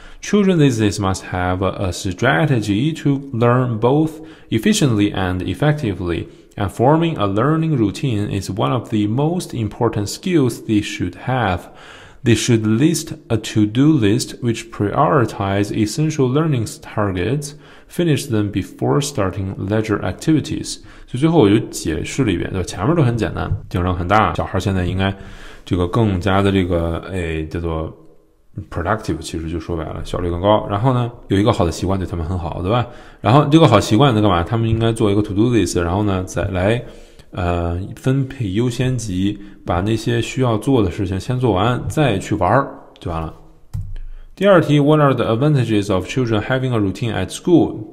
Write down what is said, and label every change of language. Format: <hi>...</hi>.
<en>Children these days must have a strategy to learn both efficiently and effectively. And forming a learning routine is one of the most important skills they should have. They should list a to-do list which prioritizes essential learning targets, finish them before starting leisure activities.</en> <zh>所以最后我就解释了一遍，对吧？前面都很简单，竞争很大，小孩现在应该这个更加的这个叫做 productive， 其实就说白了效率更高。然后呢，有一个好的习惯对他们很好，对吧？然后这个好习惯在干嘛？他们应该做一个 to do list， 然后呢再来分配优先级，把那些需要做的事情先做完再去玩就完了。第二题</zh> <en>What are the advantages of children having a routine at school？</en>